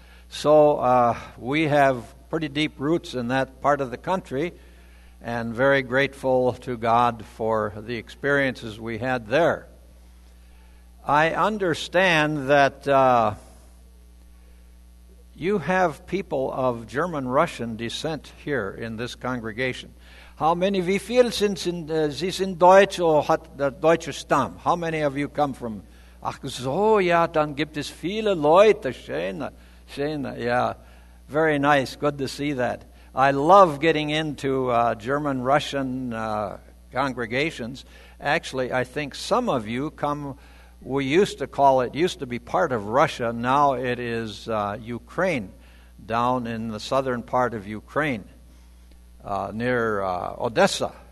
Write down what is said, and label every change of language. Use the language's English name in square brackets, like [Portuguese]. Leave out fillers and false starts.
[English] So we have pretty deep roots in that part of the country, and very grateful to God for the experiences we had there. I understand that you have people of German-Russian descent here in this congregation. How many [German] wie viel sind in sie sind deutsch oder hat der deutsche Stamm? [English] How many of you come from? [German] Ach so, ja, dann gibt es viele Leute. Schön, [English] yeah, very nice. Good to see that. I love getting into German-Russian congregations. Actually, I think some of you come. We used to call it, used to be part of Russia, now it is Ukraine, down in the southern part of Ukraine, near Odessa.